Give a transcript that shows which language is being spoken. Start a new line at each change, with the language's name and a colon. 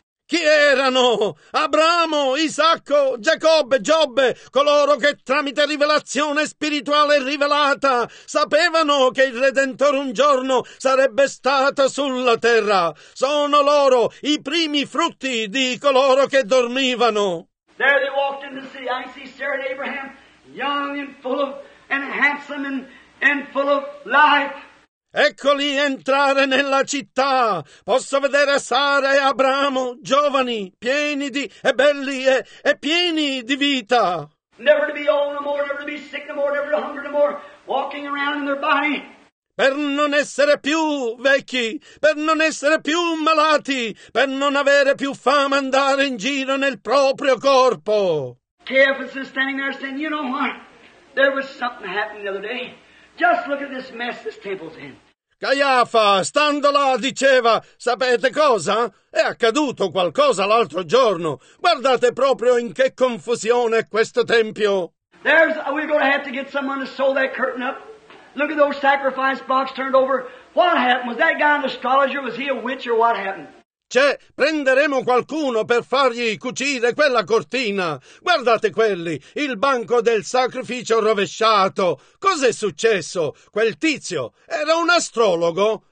Italian: Chi erano? Abramo, Isacco, Giacobbe, Giobbe, coloro che tramite rivelazione spirituale rivelata sapevano che il Redentore un giorno sarebbe stato sulla terra. Sono loro i primi frutti di coloro che dormivano.
English: There they walked in the city. I see Sarah and Abraham, young and full of, and handsome and full of life.
Italian: Eccoli entrare nella città. Posso vedere Sara e Abramo, giovani, pieni di e belli e pieni di vita.
English: Never to be old no more, never to be sick no more, never to hunger no more, walking around in their body.
Italian: Per non essere più vecchi, per non essere più malati, per non avere più fame andare in giro nel proprio corpo.
English: Caiaphas is standing there saying, you know what? There was something happening the other day. Just look at this mess this temple's in.
Italian: Caiafa, stando là, diceva, sapete cosa? È accaduto qualcosa l'altro giorno. Guardate proprio in che confusione è questo tempio.
English: We're going to have to get someone to sew that curtain up. Look at those sacrifice box turned over. What happened? Was that guy an astrologer? Was he a witch or what happened?
Italian: Cioè, prenderemo qualcuno per fargli cucire quella cortina. Guardate quelli, il banco del sacrificio rovesciato. Cos'è successo? Quel tizio era un astrologo?